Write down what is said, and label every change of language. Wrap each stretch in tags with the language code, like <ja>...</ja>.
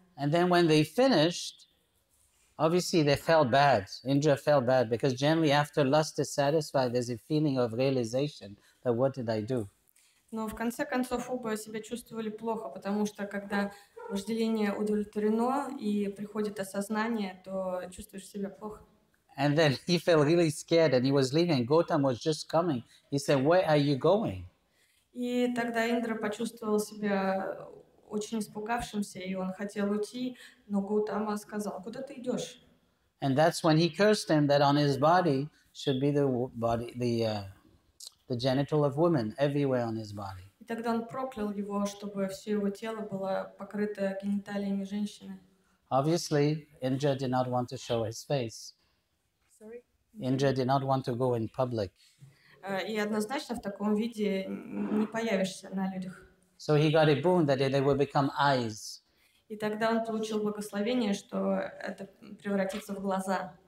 <en>And then when they finished, Obviously, they felt bad. Indra felt bad because generally after lust is satisfied, there's a feeling of realization that what did I do?</en> <ru>Но в конце концов оба себя чувствовали плохо, потому что когда вожделение удовлетворено и приходит осознание, то чувствуешь себя плохо.</ru> <en>And then he felt really scared and he was leaving. Gautam was just coming. He said, where are you going?</en> <ru>И тогда Индра почувствовал себя очень испугавшимся, и он хотел уйти, но Гаутама сказал, куда ты идешь?</ru> <en>And that's when he cursed him that on his body should be the body, the genital of women everywhere on his body.</en> <ru>И тогда он проклял его, чтобы все его тело было покрыто гениталиями женщины.</ru> <en>Obviously, Indra did not want to show his face. Sorry? Indra did not want to go in public.</en> <ru>И однозначно в таком виде не появишься на людях.</ru> <en>So he got a boon that they will become eyes.</en> <ru>И тогда он получил благословение, что это превратится в глаза.</ru>